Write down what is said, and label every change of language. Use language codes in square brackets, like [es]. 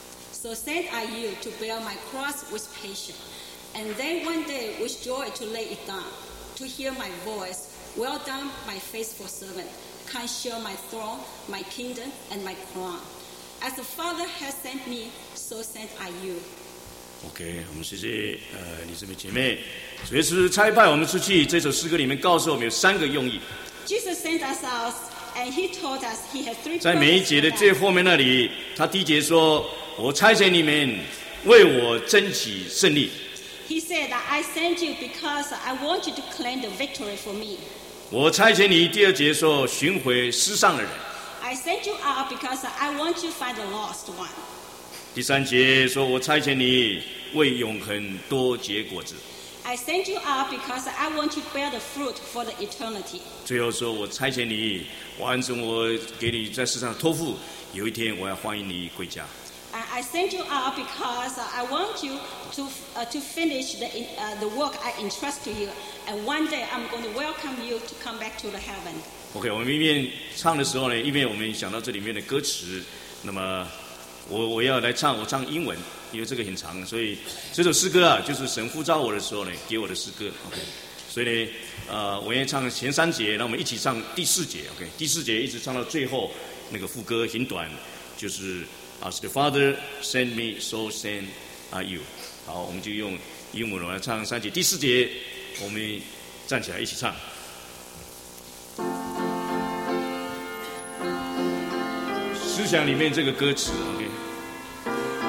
[en] So sent are you to bear my cross with patience, and then one day with joy to lay it down, to hear my voice. Well done, my faithful servant. Can share my throne, my kingdom, and my crown. As the Father has sent me, so sent are you. [zh] Okay, 我们谢谢李姊妹姐妹。主耶稣差派我们出去，这首诗歌里面告诉我们有三个用意。 [en] Jesus sent us out, and he told us he has three. [zh] 在每一节的最后面那里，他第一节说：“我差遣你们为我争取胜利。” [en] He said that I sent you because I want you to claim the victory for me. [zh] 我差遣你，第二节说寻回失丧的人。 [en] I sent you out because I want you to find the lost one. [zh] 第三节说，我差遣你为永恒多结果子。 [en] I sent you out because I want you to bear the fruit for the eternity. [zh] 最后说，我差遣你完成我给你在世上托付，有一天我要欢迎你回家。 [en] I sent you out because I want you to finish the work I entrust to you, and one day I'm going to welcome you to come back to the heaven. [zh] Okay, 我们一面唱的时候呢，一面我们想到这里面的歌词。那么我要来唱，我唱英文，因为这个很长，所以这首诗歌啊，就是神呼召我的时候呢，给我的诗歌。 Okay, 所以呢，我先唱前三节，那我们一起唱第四节。 Okay, 第四节一直唱到最后那个副歌很短，就是。 [en] As the Father sent me, so send are you. [zh] 好，我们就用英文来唱三节。第四节，我们站起来一起唱。思想里面这个歌词 ，OK。